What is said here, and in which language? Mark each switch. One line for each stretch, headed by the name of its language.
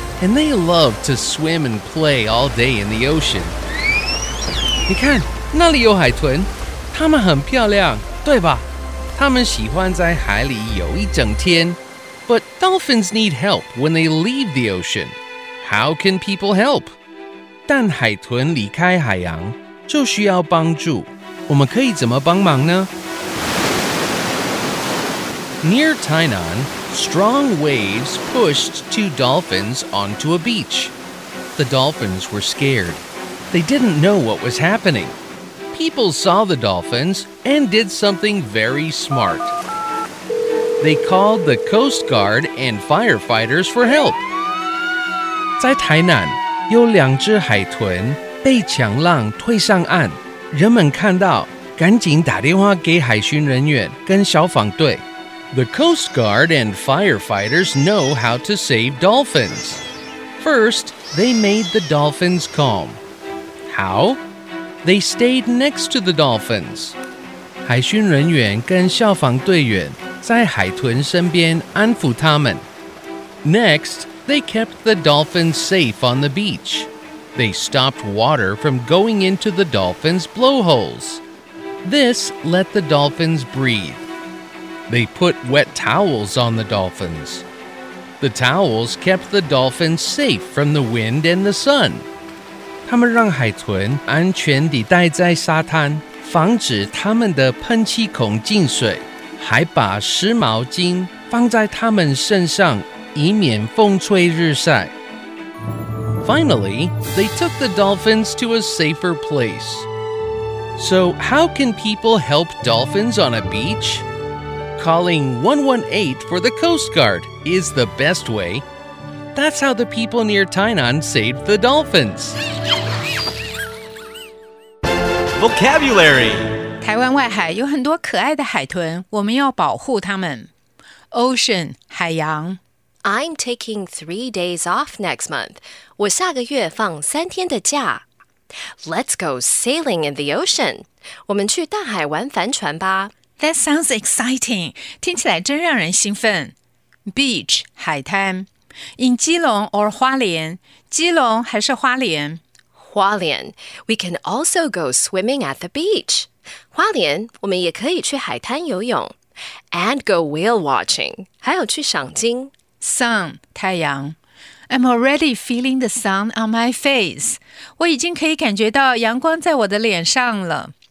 English: And they love to swim and play all day in the ocean.
Chinese: 你看，那里有海豚，它们很漂亮，对吧？它们喜欢在海里游一整天。
English: But dolphins need help when they leave the ocean. How can people help?
Chinese: 但海豚离开海洋就需要帮助。我们可以怎么帮忙呢？
English: Near Tainan, strong waves pushed two dolphins onto a beach. The dolphins were scared. They didn't know what was happening. People saw the dolphins and did something very smart. They called the Coast Guard and firefighters for help.
Chinese: 在台南，有两只海豚被强浪推上岸。人们看到，赶紧打电话给海巡人员跟消防队。
English: The Coast Guard and firefighters know how to save dolphins. First, they made the dolphins calm. How? They stayed next to the dolphins.
Chinese: 海巡人员跟消防队员在海豚身边安抚他们。
English: Next, they kept the dolphins safe on the beach. They stopped water from going into the dolphins' blowholes. This let the dolphins breathe. They put wet towels on the dolphins. The towels kept the dolphins safe from the wind and the sun.
Chinese: 他们让海豚安全地待在沙滩，防止他们的喷气孔进水，还把湿毛巾放在他们身上，以免风吹日晒。
English: Finally, they took the dolphins to a safer place. So, how can people help dolphins on a beach? Calling 118 for the Coast Guard is the best way. That's how the people near Tainan saved the dolphins. Vocabulary.
Chinese: 台湾外海有很多可爱的海豚，我们要保护它们。
English: Ocean, 海洋。 I'm taking 3 days off next month.
Chinese: 我下个月放三天的假。
English: Let's go sailing in the ocean.
Chinese: 我们去大海玩帆船吧。
English: That sounds exciting.
Chinese: 听起来真让人兴奋。
English: Beach, 海滩。In Keelung or 花莲。
Chinese: Keelung还是花莲。花莲。
English: We can also go swimming at the beach.
Chinese: 花莲，我们也可以去海滩游泳。
English: And go whale watching.
Chinese: 还有去赏鲸。
English: Sun, 太阳。 I'm already feeling the sun on my face.
Chinese: 我已经可以感觉到阳光在我的脸上了。